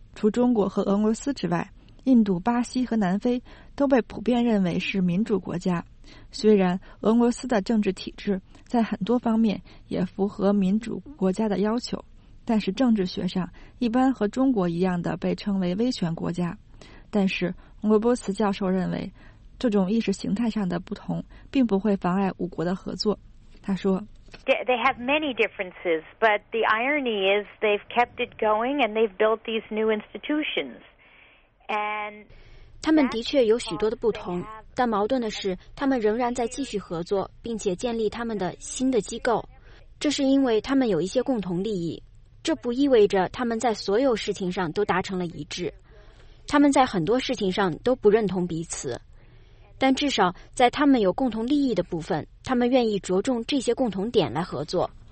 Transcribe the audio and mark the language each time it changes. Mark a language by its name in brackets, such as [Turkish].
[Chinese] 除中国和俄罗斯之外，印度、巴西和南非都被普遍认为是民主国家，虽然俄罗斯的政治体制在很多方面也符合民主国家的要求，但是政治学上一般和中国一样的被称为威权国家。但是莫波茨教授认为，这种意识形态上的不同并不会妨碍五国的合作。他说 [English] They have many differences, but the irony is they've kept it going and they've built these new institutions. [Chinese] 他们的确有许多的不同，但矛盾的是他们仍然在继续合作，并且建立他们的新的机构，这是因为他们有一些共同利益。这不意味着他们在所有事情上都达成了一致，他们在很多事情上都不认同彼此，但至少在他们有共同利益的部分，他们愿意着重这些共同点来合作。